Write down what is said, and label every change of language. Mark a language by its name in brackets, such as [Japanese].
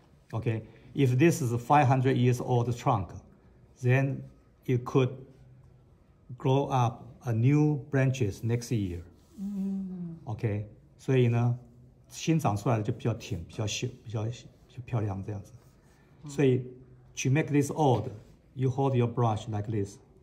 [English] Okay, if this is a 500 years old trunk, then it could grow up a new branches next year. [Chinese] Okay, 所以呢，新长出来的就比较挺，比较秀，比较漂亮这样子。所以 [English] to make this old, you hold your brush like this.